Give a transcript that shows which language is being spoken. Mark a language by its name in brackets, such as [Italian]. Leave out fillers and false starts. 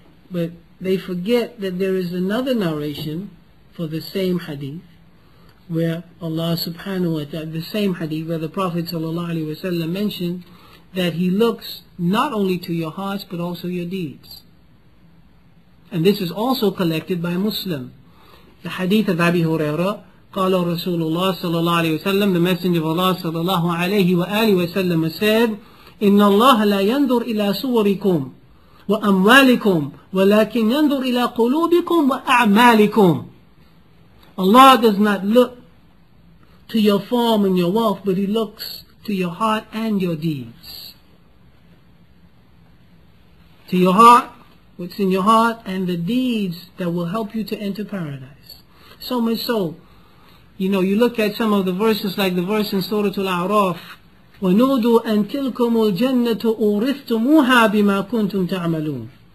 [English] But they forget that there is another narration for the same hadith, where Allah subhanahu wa ta'ala, the same hadith where the Prophet sallallahu alayhi wa sallam mentioned that He looks not only to your hearts but also your deeds. And this is also collected by Muslim. The hadith of Abi Huraira, [Arabic] قال رسول الله صلى الله عليه وسلم, [English] the Messenger of Allah [Arabic] صلى الله عليه وآله وسلم said, إن الله لا ينظر إلى صوركم وأموالكم ولكن ينظر إلى قلوبكم وأعمالكم. [English] Allah does not look to your form and your wealth, but He looks to your heart and your deeds. To your heart, what's in your heart, and the deeds that will help you to enter paradise. So much so, you know, you look at some of the verses, like the verse in Surah Al-A'raf, [Arabic] وَنُودُوا أَن تِلْكُمُ الْجَنَّةُ أُورِثْتُمُوهَا بِمَا كُنْتُمْ تَعْمَلُونَ.